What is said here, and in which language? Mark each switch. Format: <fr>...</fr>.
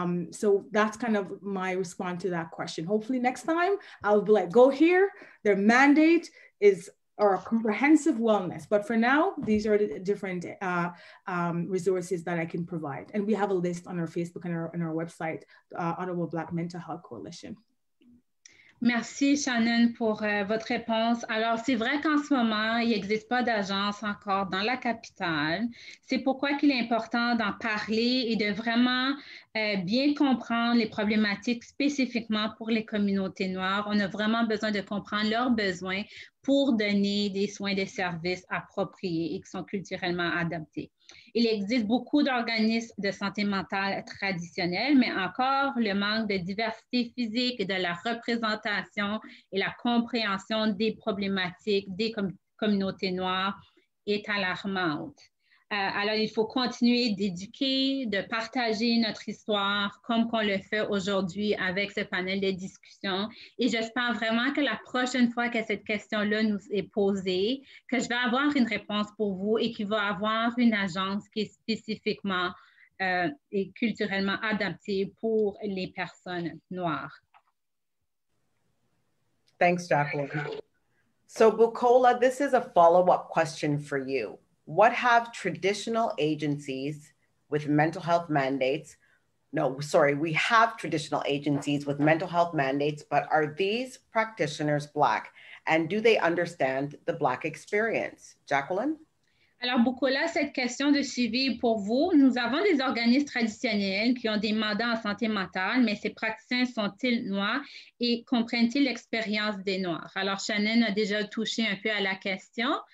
<en>So that's kind of my response to that question. Hopefully next time I'll be like, go here. Their mandate is our comprehensive wellness. But for now, these are the different resources that I can provide. And we have a list on our Facebook and our website, Ottawa Black Mental Health Coalition.</en> <fr>Merci, Shannon, pour votre réponse. Alors, c'est vrai qu'en ce moment, il n'existe pas d'agence encore dans la capitale. C'est pourquoi qu'il est important d'en parler et de vraiment bien comprendre les problématiques spécifiquement pour les communautés noires. On a vraiment besoin de comprendre leurs besoins pour donner des soins et des services appropriés et qui sont culturellement adaptés. Il existe beaucoup d'organismes de santé mentale traditionnels, mais encore le manque de diversité physique et de la représentation et la compréhension des problématiques des communautés noires est alarmante. Alors, il faut continuer d'éduquer, de partager notre histoire comme qu'on le fait aujourd'hui avec ce panel de discussion. Et j'espère vraiment que la prochaine fois que cette question-là nous est posée, que je vais avoir une réponse pour vous et qu'il va y avoir une agence qui est spécifiquement et culturellement adaptée pour les personnes noires.</fr> <en>Thanks, Jacklyn. So, Bukola, this is a follow-up question for you. What have traditional agencies with mental health mandates, we have traditional agencies with mental health mandates, but are these practitioners Black? And do they understand the Black experience? Jacklyn?</en> <fr>Alors, Bukola, cette question de suivi pour vous. Nous avons des organismes traditionnels qui ont des mandats en santé mentale, mais ces praticiens sont-ils noirs et comprennent-ils l'expérience des Noirs? Alors, Shannon a déjà touché un peu à la question.</fr>